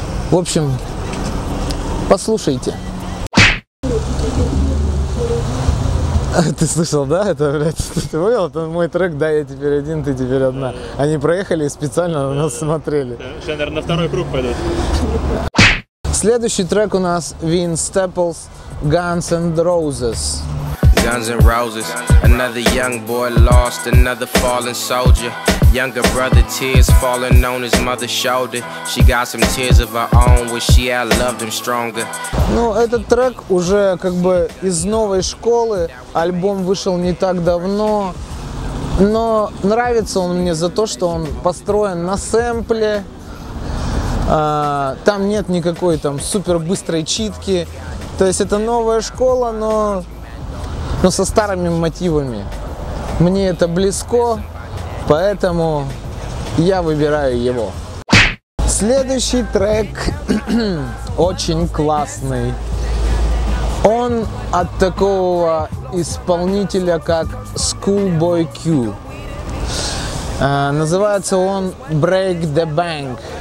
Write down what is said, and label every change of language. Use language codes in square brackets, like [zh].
[ru] В общем, послушайте. Ты слышал, да? Это, блядь, ты понял? Это мой трек, да, я теперь один, ты теперь одна. Они проехали и специально на нас смотрели. Сейчас, наверное, на второй круг пойдут. Следующий трек у нас Vince Staples, Guns N' Roses. [en] Guns N' Roses, another young boy lost, another fallen soldier. Younger brother, tears falling on his mother's shoulder. She got some tears of her own, wish she had loved him stronger. [ru] Ну, этот трек уже как бы из новой школы. Альбом вышел не так давно. Но нравится он мне за то, что он построен на сэмпле. Там нет никакой там супер быстрой читки. То есть это новая школа, но со старыми мотивами. Мне это близко. Поэтому я выбираю его. Следующий трек очень классный. Он от такого исполнителя, как Schoolboy Q. Называется он Break the Bank.